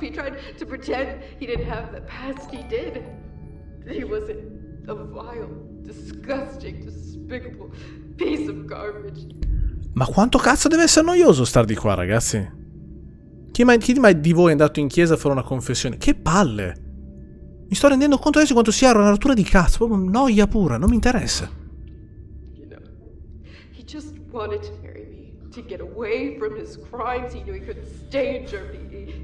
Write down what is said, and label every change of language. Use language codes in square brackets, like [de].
[en] He tried to pretend he didn't have the past. He did. He was a vile, disgusting, despicable piece of garbage. [it] Ma quanto cazzo deve essere noioso star di qua, ragazzi? Chi mai di voi è andato in chiesa a fare una confessione? Che palle! Mi sto rendendo conto adesso quanto sia una rottura di cazzo, proprio noia pura, non mi interessa. [en] You know, he just wanted to marry me, to get away from his crimes. He knew he couldn't stay in Germany.